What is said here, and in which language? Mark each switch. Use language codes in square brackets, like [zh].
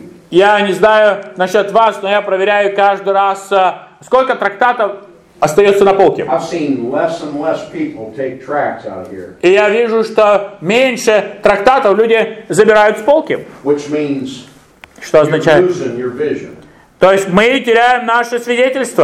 [ru] Я не знаю насчет вас, но я проверяю каждый раз, сколько трактатов остается на полке. [en] I've seen less and less people take tracts out here. [ru] И я вижу, что меньше трактатов люди забирают с полки. [en] Which means, [ru] что означает? [en] You're losing your vision. [ru] То есть мы теряем наше свидетельство.